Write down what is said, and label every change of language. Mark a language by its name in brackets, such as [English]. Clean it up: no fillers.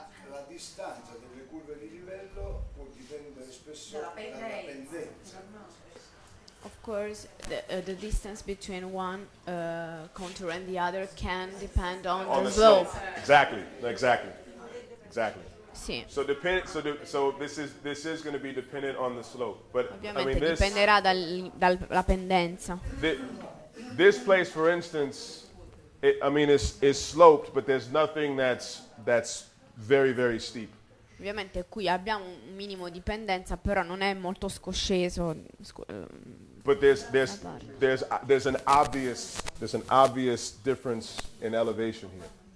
[Italian] La distanza delle curve di livello può dipendere spesso dalla pendenza. [English] Of course, the distance between one contour and the other can depend on the slope. Exactly. [Italian] Sì. [English] So this is going to be dependent on the slope. But [Italian] ovviamente [English] I mean this [Italian] dipenderà dalla pendenza. [English] This place for instance is sloped but there's nothing that's very very steep. [Italian] Ovviamente qui abbiamo un minimo di pendenza, però non è molto scosceso. [English] But there's an obvious difference in elevation here.